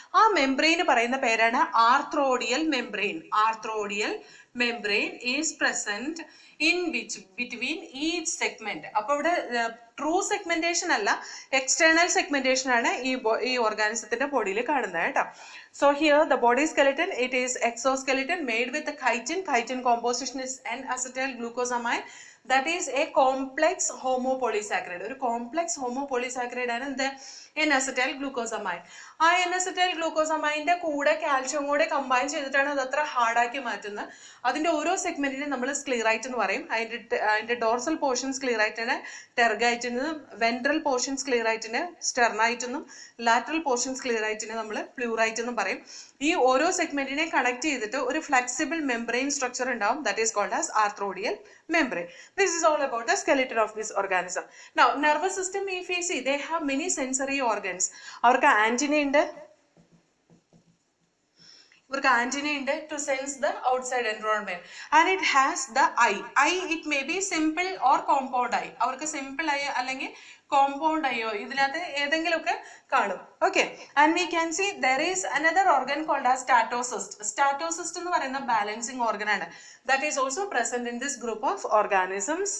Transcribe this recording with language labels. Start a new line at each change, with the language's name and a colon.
Malayalam: ആ മെംബ്രെയിന് പറയുന്ന പേരാണ് ആർത്രോഡിയൽ membrane.
English: Arthrodial membrane is present in which between each segment.
Malayalam: അപ്പൊ ഇവിടെ ട്രൂ സെഗ്മെന്റേഷൻ അല്ല, എക്സ്റ്റേണൽ സെഗ്മെന്റേഷൻ ആണ് ഈ ഓർഗാനിസത്തിന്റെ ബോഡിയിൽ കാണുന്നത് കേട്ടോ.
English: So here the body skeleton, it is exoskeleton made with chitin. Chitin composition is N acetyl glucosamine. That is a complex homopolysaccharide. Or a complex homopolysaccharide and the N-acetyl glucosamine.
Malayalam: N-acetyl glucosamine de kooda calcium ode combine cheyidittana adatra hard aaki maatuna. Adinte oro segment ine nammal sclerite nu parayum. Adinte dorsal portion sclerite ne tergite nu, ventral portion sclerite ne sternite nu, lateral portion sclerite ne nammal pleurite nu parayum. ഈ ഓരോ സെഗ്മെന്റിനെ connect ചെയ്തിട്ട് ഒരു flexible membrane structure ഉണ്ടാവും.
English: That is called as arthrodial membrane. This is all about the skeleton of this organism. Now nervous system, if you see, they have many sensory organs.
Malayalam: അവർക്ക് antenna ഉണ്ട്, ഇവർക്ക് antenna ഉണ്ട്
English: To sense the outside environment. And it has the eye. Eye it may be simple or compound eye.
Malayalam: അവർക്ക് simple I അല്ലെങ്കിൽ compound ഐയോ ഇതിനകത്ത് ഏതെങ്കിലുമൊക്കെ കാണും.
English: Okay, and we can see there is another organ called as statocyst. Statocyst is a balancing organ and that is also present in this group of organisms.